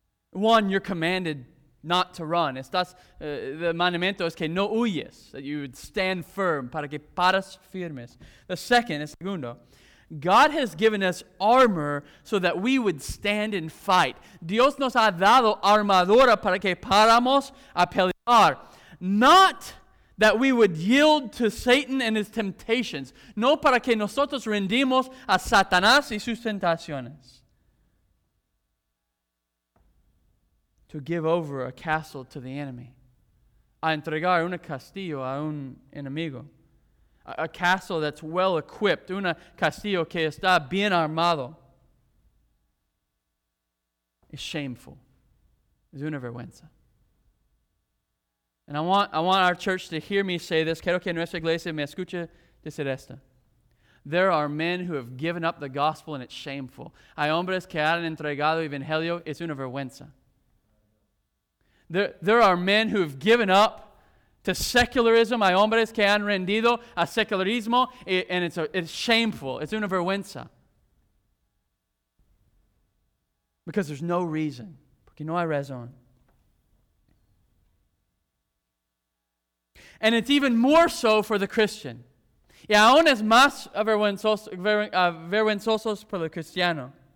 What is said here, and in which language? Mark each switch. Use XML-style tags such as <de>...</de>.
<en>One, you're commanded not to run. Estás, the</en> <es>mandamiento es que no huyes,</es> <en>that you would stand firm,</en> <es>para que paras firmes.</es> <en>The second,</en> <es>el segundo,</es> <en>God has given us armor so that we would stand and fight.</en> <es>Dios nos ha dado armadura para que paramos a pelear.</es> <en>Not that we would yield to Satan and his temptations.</en> <es>No para que nosotros rendimos a Satanás y sus tentaciones.</es> <en>To give over a castle to the enemy.</en> <es>A entregar un castillo a un enemigo.</es> <en>A castle that's well equipped.</en> <es>Un castillo que está bien armado.</es> <en>Is shameful.</en> <es>Es una vergüenza.</es> <en>And I want our church to hear me say this.</en> <es>Quiero que nuestra iglesia me escuche decir esto.</es> <en>There are men who have given up the gospel and it's shameful.</en> <es>Hay hombres que han entregado el evangelio. Es una vergüenza.</es> <en>There are men who have given up to secularism.</en> <es>Hay hombres que han rendido a secularismo.</es> <en>And it's shameful.</en> <es>It's una vergüenza.</es> <en>Because there's no reason.</en> <es>Porque no hay razón.</es> <en>And it's even more so for the Christian.</en> <es>Y aún es más vergonzoso por el cristiano.</es>